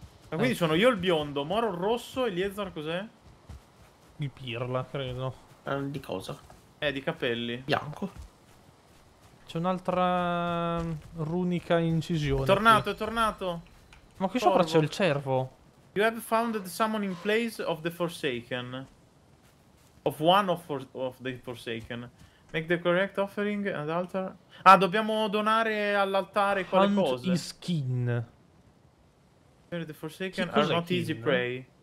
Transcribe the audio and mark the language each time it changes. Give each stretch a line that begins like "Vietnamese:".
Italian: Ma quindi sono io il biondo, Moro il rosso e Liezza cos'è? Il pirla, credo. Di cosa? Di capelli. Bianco. C'è un'altra runica incisione. È tornato. Ma qui sopra c'è il cervo.
English: You have found the summoning place of the Forsaken. Of one of the Forsaken. Make the correct offering and altar.
Italian: Ah, dobbiamo donare all'altare quale
English: hunt
Italian: cosa?
English: Hunt his skin. The Forsaken are not easy prey.